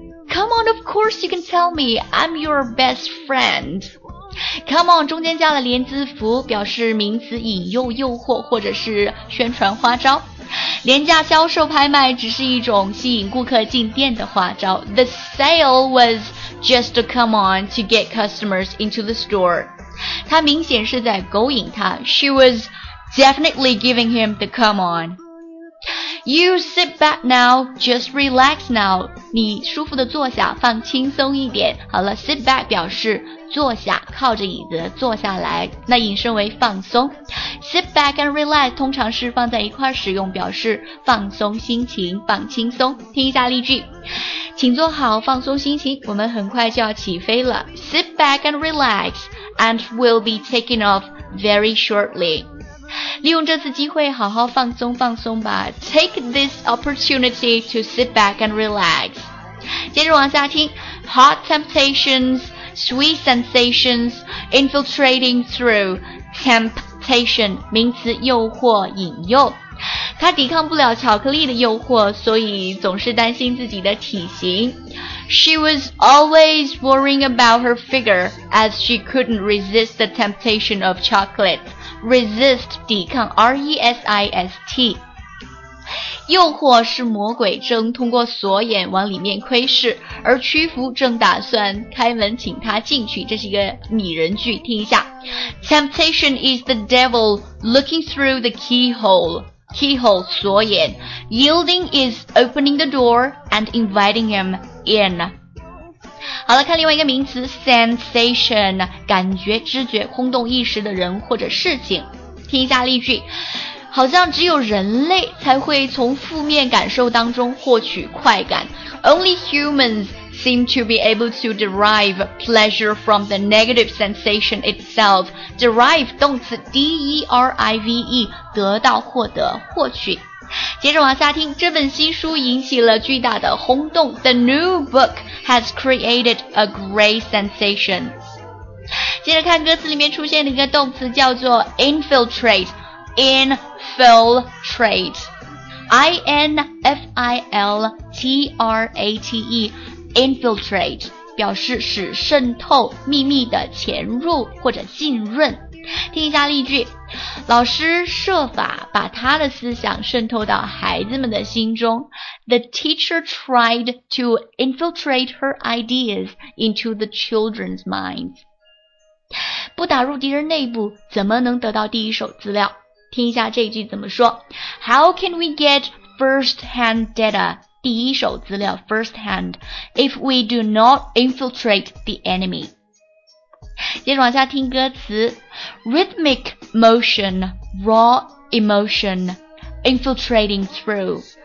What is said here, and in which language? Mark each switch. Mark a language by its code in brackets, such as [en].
[en] Come on of course you can tell me I'm your best friendCome on [zh] 中间加了连字符，表示名词引诱、诱惑或者是宣传花招。廉价销售拍卖只是一种吸引顾客进店的花招。 [en] The sale was just a come on to get customers into the store. [zh] 他明显是在勾引他。 [en] She was definitely giving him the come on. You sit back now, just relax now. [zh] 你舒服的坐下，放轻松一点。好了 ,sit back 表示坐下，靠着椅子坐下来，那引申为放松。 Sit back and relax 通常是放在一块使用，表示放松心情，放轻松。听一下例句，请坐好，放松心情，我们很快就要起飞了。 [en] Sit back and relax and we'll be taking off very shortly. [zh] 利用这次机会好好放松放松吧。 [en] Take this opportunity to sit back and relax. [zh] 接着往下听， [en] Hot temptationsSweet sensations infiltrating through temptation [zh] 名词诱惑引诱，他抵抗不了巧克力的诱惑，所以总是担心自己的体型。 [en] She was always worrying about her figure as she couldn't resist the temptation of chocolate. [zh] Resist 抵抗 R-E-S-I-S-T诱惑是魔鬼正通过锁眼往里面窥视，而屈服正打算开门请他进去，这是一个拟人句，听一下。 [en] Temptation is the devil looking through the keyhole 锁眼， Yielding is opening the door and inviting him in。 [zh] 好了，看另外一个名词 Sensation 感觉、知觉、轰动一时的人或者事情，听一下例句，好像只有人类才会从负面感受当中获取快感。 [en] Only humans seem to be able to derive pleasure from the negative sensation itself. [zh] Derive 动词 D-E-R-I-V-E 得到、获得、获取。接着往下听，这本新书引起了巨大的轰动。 [en] The new book has created a great sensation. [zh] 接着看歌词里面出现的一个动词叫做 infiltrate。 Infiltrate I-N-F-I-L-T-R-A-T-E Infiltrate 表示使渗透、秘密的潜入或者浸润。听一下例句，老师设法把他的思想渗透到孩子们的心中。 [en] The teacher tried to infiltrate her ideas into the children's minds. [zh] 不打入敌人内部，怎么能得到第一手资料？听一下这一句怎么说。 [en] How can we get first-hand data 第一手资料 first-hand if we do not infiltrate the enemy? [zh] 接着往下听歌词， [en] Rhythmic motion, raw emotion, infiltrating through。